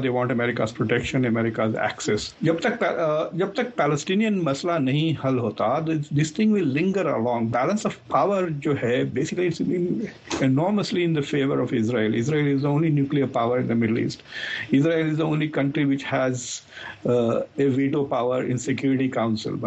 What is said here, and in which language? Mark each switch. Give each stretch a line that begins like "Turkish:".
English: They want America's protection, America's access.
Urdu: جب تک Palestinian مسئلہ نہیں حل ہوتا,
English: This thing will linger along. Balance of power
Urdu: جو ہے
English: Basically it's been enormously in the favour of Israel. Israel is the only nuclear power in the Middle East. Israel is the only country which has a veto power in Security Council.